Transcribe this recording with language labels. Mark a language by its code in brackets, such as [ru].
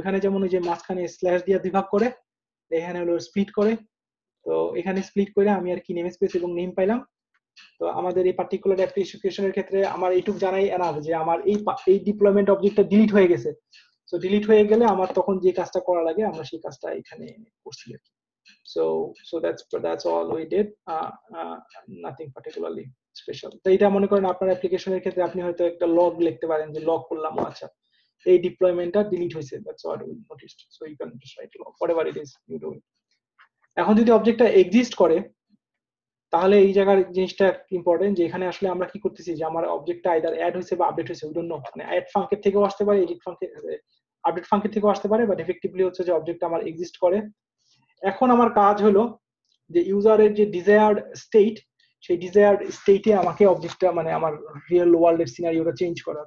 [bn] ওইখানে যেমন ওই যে মাঝখানে স্ল্যাশ দিয়ে বিভাগ করে, এখানে হলো স্প্লিট করে। তো এখানে স্প্লিট করে আমি আর কি নেমস্পেস এবং নেম পাইলাম। তো আমাদের এই পার্টিকুলার অ্যাপ্লিকেশনের ক্ষেত্রে আমার এইটুকু জানাই এনাফ যে আমার এই এই ডিপ্লয়মেন্ট অবজেক্টটা ডিলিট হয়ে গেছে। সো ডিলিট হয়ে গেলে আমার তখন যে কাজটা করা লাগে আমরা সেই কাজটা এখানে করছি। [en] So that's all we did, nothing particularly special. [bn] তো এটা মনে করেন আপনার অ্যাপ্লিকেশনের ক্ষেত্রে আপনি হয়তো একটা লগ লিখতে পারেন যে লগ করলাম, আচ্ছা এই ডিপ্লয়মেন্টটা ডিলিট হয়েছে, [en] that's what we noticed. So you can just write log, whatever it is you do. [bn] এখন যদি অবজেক্টটা এক্সিস্ট করে, তাহলে এই জায়গার জিনিসটা ইম্পর্টেন্ট যে এখানে আসলে আমরা কি করতেছি, যে আমার অবজেক্টটা আইদার অ্যাড হয়েছে বা আপডেট হয়েছে, [en] wouldn't know, [bn] মানে অ্যাড ফাংকের থেকেও আসতে পারে, এডিট ফাংকের আপডেট ফাংকের থেকেও আসতে পারে, বাট এফেক্টিভলি হচ্ছে যে অবজেক্টটা আমার এক্সিস্ট করে। এখন আমার কাজ হলো যে ইউজারের যে ডিজায়ার্ড স্টেট, সেই ডিজায়ার্ড স্টেটে আমাকে অবজেক্টটা মানে আমার রিয়েল ওয়ার্ল্ডের সিনারিওটা চেঞ্জ করা।